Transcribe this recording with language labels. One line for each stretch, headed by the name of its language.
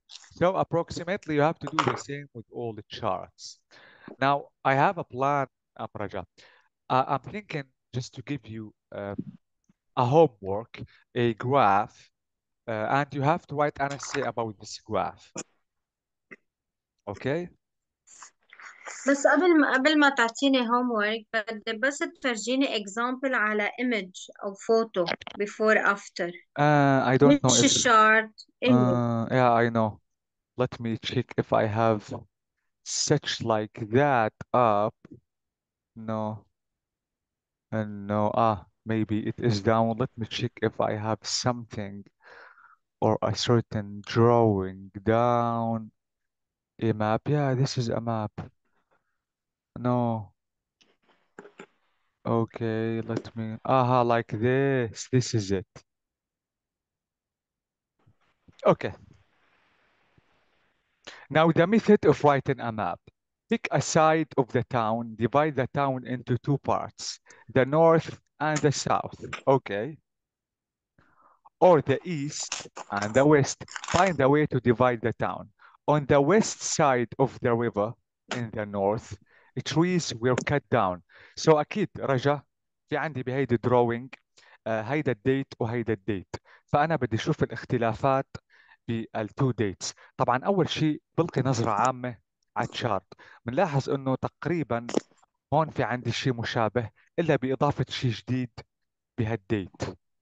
English: So approximately, you have to do the same with all the charts. Now, I have a plan, Raja. I'm thinking just to give you a homework, a graph, and you have to write an essay about this graph. Okay?
Arabic: بس قبل ما تعطيني هوم ورك بدي بس تفرجيني اكزامبل على ايمج او فوتو بيفور افتر،
English: I don't know
Arabic: مش
English: if
Arabic: الشارت، ايمج.
English: yeah, I know. Let me check if I have such like that up. No. And no, maybe it is down. Let me check if I have something or a certain drawing down. A map. Yeah, this is a map. No. Okay, let me like this. This is it. Okay. Now the method of writing a map. Pick a side of the town, divide the town into two parts, the north and the south. Okay. Or the east and the west. Find a way to divide the town. On the west side of the river in the north, the trees were cut down.
Arabic: So أكيد رجا في عندي بهيدي drawing هيدا الديت وهيدا الديت. فأنا بدي أشوف الاختلافات بالتو ديتس. طبعا اول شيء بلقي نظره عامه على الشارت، بنلاحظ انه تقريبا هون في عندي شيء مشابه الا باضافه شيء جديد بهالديت.